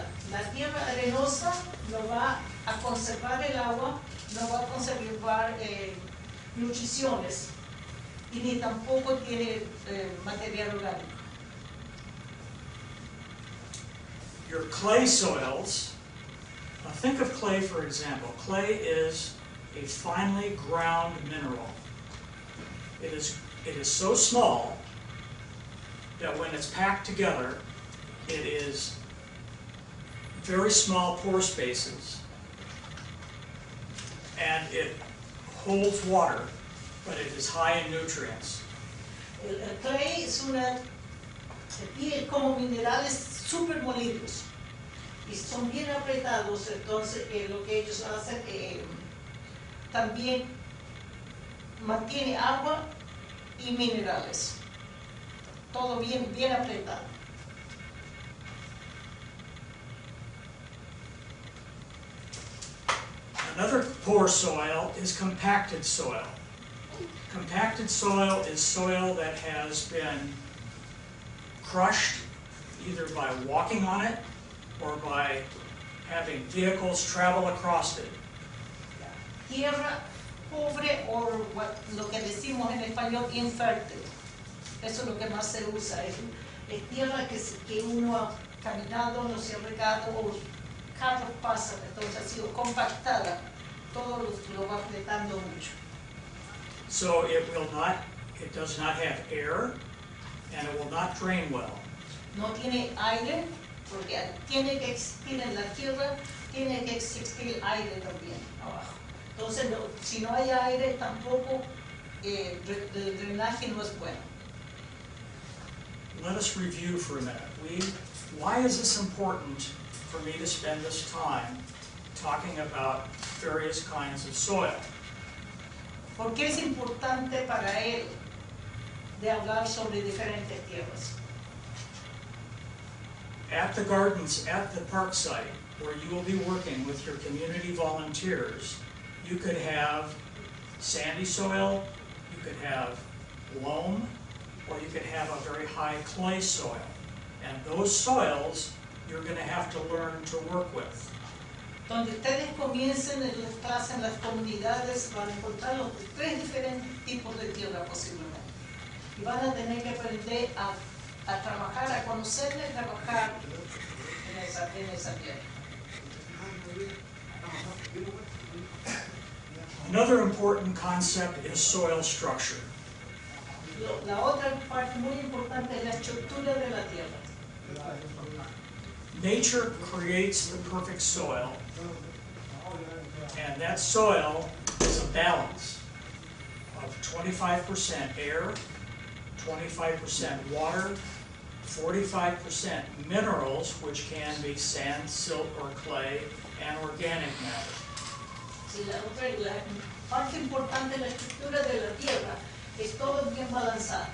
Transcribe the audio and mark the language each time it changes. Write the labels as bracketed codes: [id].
[es] La tierra arenosa no va a conservar el agua, no va a conservar nutriciones, y ni tampoco tiene material orgánico. [en] Your clay soils, now think of clay for example. Clay is a finely ground mineral. It is so small that when it's packed together, it is very small pore spaces, and it holds water, but it is high in nutrients. [es] El clay es una, se pide como minerales super molidos, y son bien apretados, entonces lo que ellos hacen también mantiene agua y minerales. Todo bien, bien apretado. [en] Another poor soil is compacted soil. Compacted soil is soil that has been crushed either by walking on it or by having vehicles travel across it. [es] Tierra pobre, [en] or what, [es] lo que decimos en español, infértil. Eso es lo que más se usa, es tierra que uno ha caminado, no se ha regado, o carro pasa, entonces ha sido compactada, todo lo va apretando mucho. [en] So it will not, it does not have air, and it will not drain well. [es] No tiene aire, porque tiene que existir en la tierra, tiene que existir aire también abajo. Entonces, no, si no hay aire, tampoco el drenaje no es bueno. [en] Let us review for a minute. Why is this important for me to spend this time talking about various kinds of soil? [es] ¿Por qué es importante para él de hablar sobre diferentes tierras? [en] At the gardens, at the park site, where you will be working with your community volunteers, you could have sandy soil, you could have loam, or you could have a very high clay soil. And those soils, you're going to have to learn to work with. [es] Donde ustedes comiencen en las clases, en las comunidades, van a encontrar los tres diferentes tipos de tierra posiblemente. Y van a tener que aprender a trabajar, a conocerla y trabajar en esa tierra. [en] Another important concept is soil structure. [es] La otra parte muy importante es la estructura de la tierra. [en] Nature creates the perfect soil, and that soil is a balance of 25% air, 25% water, 45% minerals, which can be sand, silt, or clay, and organic matter. [es] Sí, la parte importante de la estructura de la tierra es todo bien balanceado.